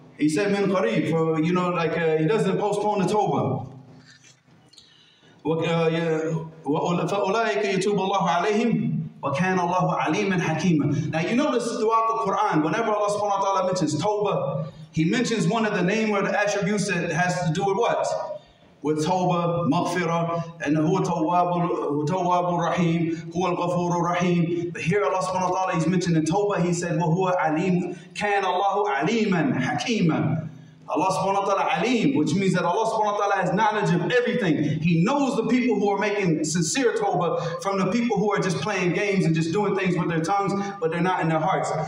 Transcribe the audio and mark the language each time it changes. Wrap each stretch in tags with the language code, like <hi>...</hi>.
<en>He said</en> <ar>min qarib,</ar> <en>for you know, like he doesn't postpone the Tawbah.</en> <ar>فَأُولَٰئِكَ يَتُوبُ اللَّهُ عَلَيْهِمْ وَكَانَ اللَّهُ عَلِيمًا حَكِيمًا.</ar> <en>Now you notice throughout the Quran, whenever Allah subhanahu wa ta'ala mentions Tawbah, He mentions one of the name or the attributes that has to do with what? With Tawbah, Maghfirah, and</en> <ar>هُوَ تَوَّابُ الرَّحِيمُ هُوَ الْغَفُورُ الرَّحِيمُ.</ar> <en>But here Allah subhanahu wa ta'ala, He's mentioning Tawbah, He said,</en> <ar>وَهُوَ عَلِيمٌ كَانَ اللَّهُ عَلِيمًا حَكِيمًا.</ar> <en>Allah subhanahu wa ta'ala alim, which means that Allah subhanahu wa ta'ala has knowledge of everything. He knows the people who are making sincere tawbah from the people who are just playing games and just doing things with their tongues, but they're not in their hearts.</en>